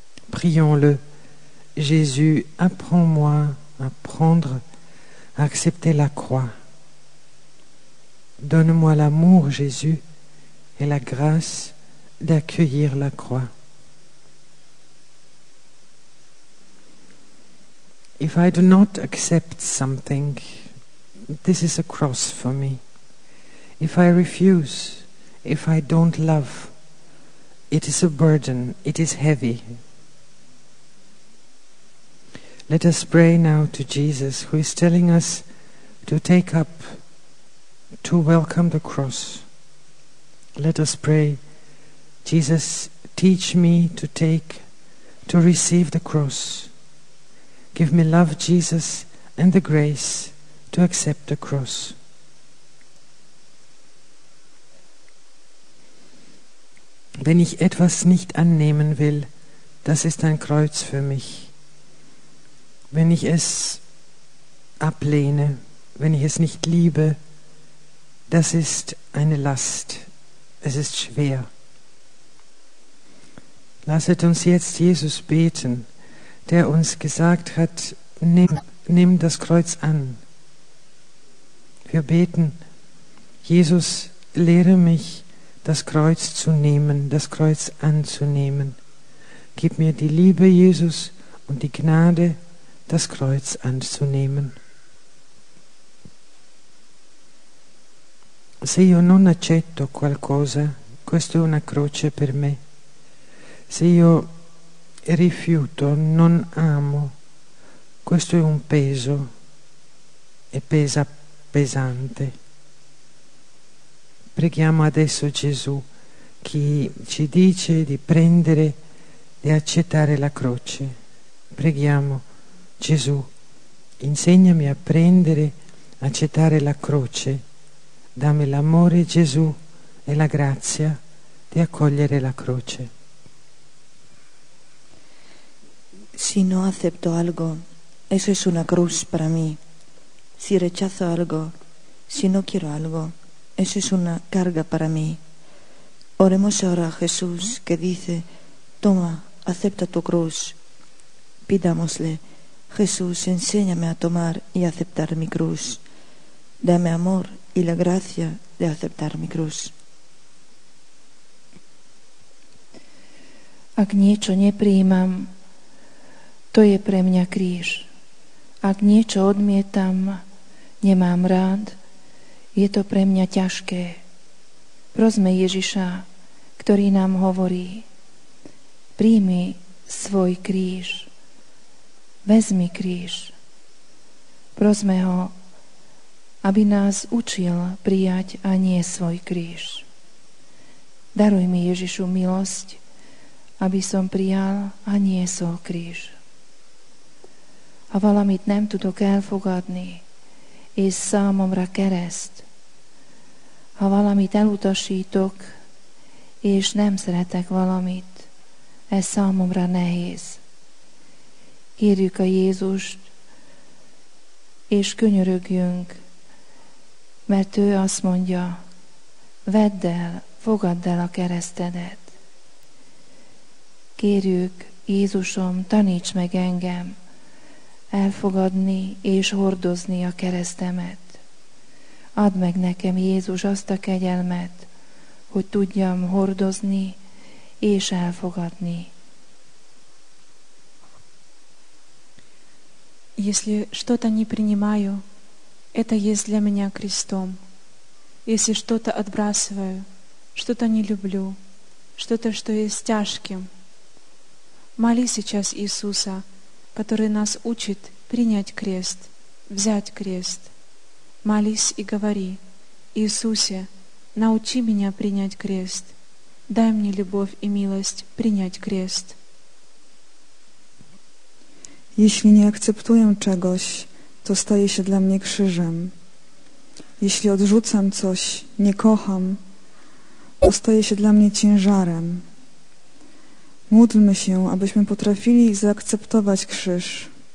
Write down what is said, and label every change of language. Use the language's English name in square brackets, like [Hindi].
[French] Prions-le, Jésus, apprends-moi à prendre, à accepter la croix. Donne-moi l'amour, Jésus, et la grâce d'accueillir la croix. [English] If I do not accept something, this is a cross for me. If I refuse, if I don't love, it is a burden, it is heavy. Let us pray now to Jesus, who is telling us to take up, to welcome the cross. Let us pray, Jesus, teach me to take, to receive the cross. Give me love, Jesus, and the grace to accept the cross. [German] Wenn ich etwas nicht annehmen will, das ist ein Kreuz für mich. Wenn ich es ablehne, wenn ich es nicht liebe, das ist eine Last, es ist schwer. Lasset uns jetzt Jesus beten, der uns gesagt hat, nimm das Kreuz an. Wir beten, Jesus, lehre mich, das Kreuz zu nehmen, das Kreuz anzunehmen. Gib mir die Liebe, Jesus, und die Gnade, das Kreuz anzunehmen. [Italian] Se io non accetto qualcosa, questo è una croce per me. Se io rifiuto, non amo, questo è un peso e pesa pesante. Preghiamo adesso Gesù che ci dice di prendere e accettare la croce. Preghiamo Gesù, insegnami a prendere, accettare la croce. Dammi l'amore, Gesù, e la grazia di accogliere la croce. [Spanish] Si no acepto algo, eso es una cruz para mí. Si rechazo algo, si no quiero algo, eso es una carga para mí. Oremos ahora a Jesús que dice, toma, acepta tu cruz. Pidámosle, Jesús, enséñame a tomar y aceptar mi cruz. Dame amor y la gracia de aceptar mi cruz. [Slovak] Ak niečo neprijímam, to je pre mňa kríž. Ak niečo odmietam, nemám rád, je to pre mňa ťažké. Prosme Ježiša, ktorý nám hovorí, príjmi svoj kríž, vezmi kríž. Prosme ho, aby nás učil prijať a nie svoj kríž. Daruj mi, Ježišu, milosť, aby som prijal a niesol kríž. [Hungarian] a valamit nem tudok elfogadni, és számomra kereszt. Ha valamit elutasítok, és nem szeretek valamit, ez számomra nehéz. Kérjük a Jézust, és könyörögjünk, mert ő azt mondja, vedd el, fogadd el a keresztedet. Kérjük, Jézusom, taníts meg engem elfogadni és hordozni a keresztemet. Add meg nekem, Jézus, azt a kegyelmet, hogy tudjam hordozni és elfogadni. [Russian] Если что-то не принимаю, это есть для меня крестом. Если что-то отбрасываю, что-то не люблю, что-то, что есть тяжким, молись сейчас Иисуса, который нас учит принять крест, взять крест. Молись и говори, Иисусе, научи меня принять крест. Дай мне любовь и милость принять крест. [Polish] Jeśli nie akceptuję czegoś, to staje się dla mnie krzyżem. Jeśli odrzucam coś, nie kocham, to staje się dla mnie ciężarem. Módlmy się, abyśmy potrafili zaakceptować krzyż.